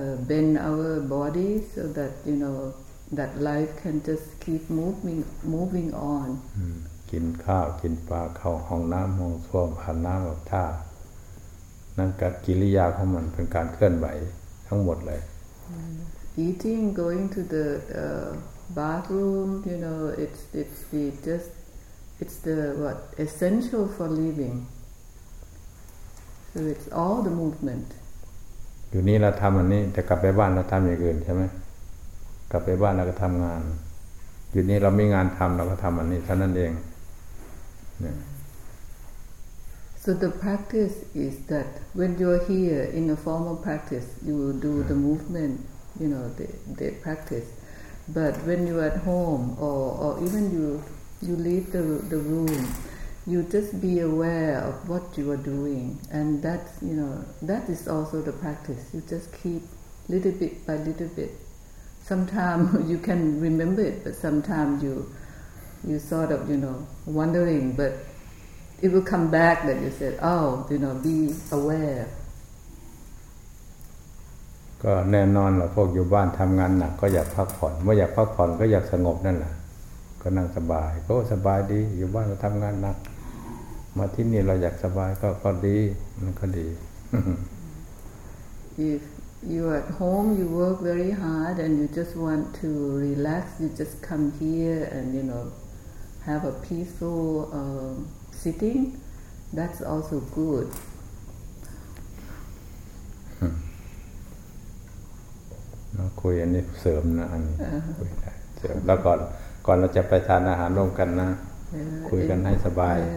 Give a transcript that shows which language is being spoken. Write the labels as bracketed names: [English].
[English] Bend our body so that, you know, that life can just keep moving on. [Thai] กินข้าวกินปลาเข้าห้องน้ำห้องส้วมผ่านน้ำออกท่านั่นก็กิริยาของมันเป็นการเคลื่อนไหวทั้งหมดเลย [English] Eating, going to the bathroom, you know, it's essential for living. So it's all the movement. [Thai] อยู่นี่เราทำอันนี้แต่กลับไปบ้านเราทำอย่างอื่นใช่ไหมกลับไปบ้านเราก็ทำงานอยู่นี่เราไม่งานทำเราก็ทำอันนี้เท่านั้นเองเนี่ย [English] so the practice is that when you're here in a formal practice you do the movement you know the practice but when you're at home or even you leave the roomYou just be aware of what you are doing, and that's, you know, that is also the practice. You just keep little bit by little bit. Sometimes you can remember it, but sometimes you sort of, you know, wondering, but it will come back that you said, oh, you know, be aware. [Thai] ก็แน่นอนล่ะพวกอยู่บ้านทำงานหนักก็อยากพักผ่อนเมื่ออยากพักผ่อนก็อยากสงบนั่นแหละก็นั่งสบายก็สบายดีอยู่บ้านเราทำงานหนักมาที่นี่เราอยากสบายก็ดีมันก็ดี [English] If you at home you work very hard and you just want to relax you just come here and you know have a peaceful sitting that's also good [Thai] เราคุยอันนี้เสริมนะอันนี้คุยได้เสริมแล้วก่อนเราจะไปทานอาหารร่วมกันนะคุยกันให้สบาย